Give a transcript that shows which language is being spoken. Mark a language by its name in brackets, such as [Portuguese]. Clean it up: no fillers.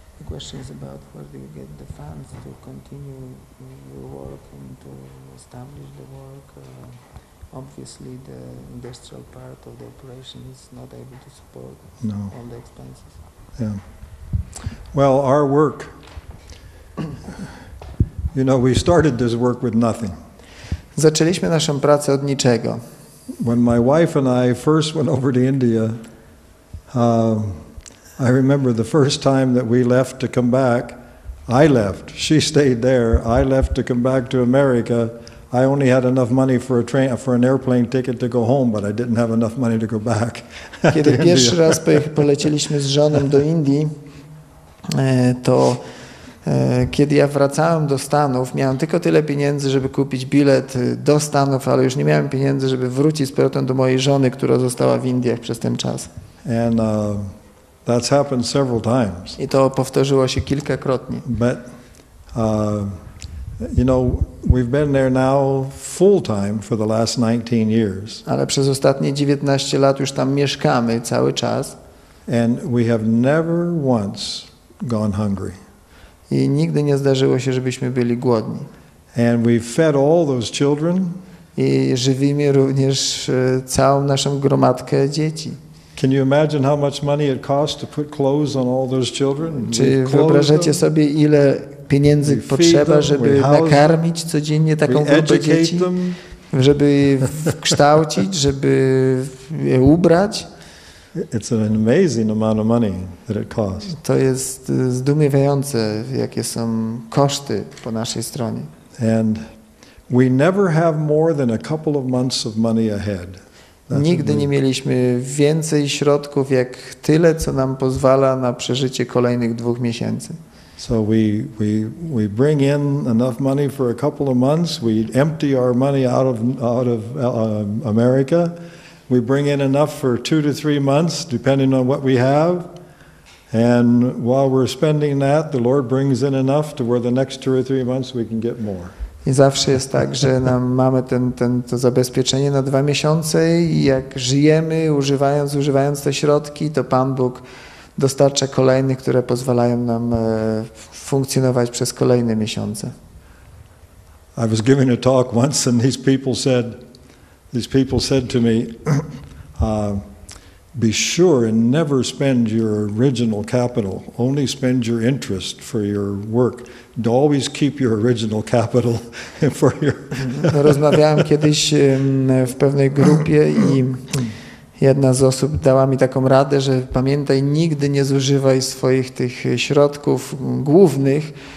[English] questions about where do you get the funds to continue your work and to establish the work. Obviously, the industrial part of the operation is not able to support all the expenses. Yeah. Well, our work, you know, we started this work with nothing. [Polish] Zaczęliśmy naszą pracę od niczego. [English] When my wife and I first went over to India, I remember the first time that we left to come back. I left. She stayed there. I left to come back to America. I only had enough money for a train, for an airplane ticket to go home, but I didn't have enough money to go back. [Polish] Kiedy pierwszy raz polecieliśmy z żoną do Indii, to kiedy ja wracałem do Stanów, miałem tylko tyle pieniędzy, żeby kupić bilet do Stanów, ale już nie miałem pieniędzy, żeby wrócić z powrotem do mojej żony, która została w Indiach przez ten czas. [English] And that's happened several times. [Polish] I to powtórzyło się kilkakrotnie. [English] But, you know, we've been there now full time for the last 19 years. [Polish] Ale przez ostatnie 19 lat już tam mieszkamy cały czas. [English] And we have never once gone hungry. [Polish] I nigdy nie zdarzyło się, żebyśmy byli głodni. [English] And we've fed all those children. [Polish] I żywimy również całą naszą gromadkę dzieci. [English] Can you imagine how much money it costs to put clothes on all those children? [Polish] Czy wyobrażacie sobie, ile pieniędzy potrzeba, żeby nakarmić codziennie taką grupę dzieci, żeby wkształcić, żeby je ubrać? [English] It's an amazing amount of money that it costs. [Polish] To jest zdumiewające, jakie są koszty po naszej stronie. [English] And we never have more than a couple of months of money ahead. [Polish] That's nigdy nie mieliśmy więcej środków jak tyle, co nam pozwala na przeżycie kolejnych dwóch miesięcy. [English] So we bring in enough money for a couple of months. We empty our money out of America. We bring in enough for 2 to 3 months, depending on what we have. And while we're spending that, the Lord brings in enough to where the next 2 or 3 months we can get more. [Polish] I zawsze jest tak, że nam mamy to zabezpieczenie na 2 miesiące i jak żyjemy, używając te środki, to Pan Bóg dostarcza kolejne, które pozwalają nam funkcjonować przez kolejne miesiące. [English] I was giving a talk once and these people said to me, be sure and never spend your original capital, only spend your interest for your work. To always keep your original capital for your... [Polish] Rozmawiałem kiedyś w pewnej grupie i jedna z osób dała mi taką radę, że pamiętaj, nigdy nie zużywaj swoich tych środków głównych.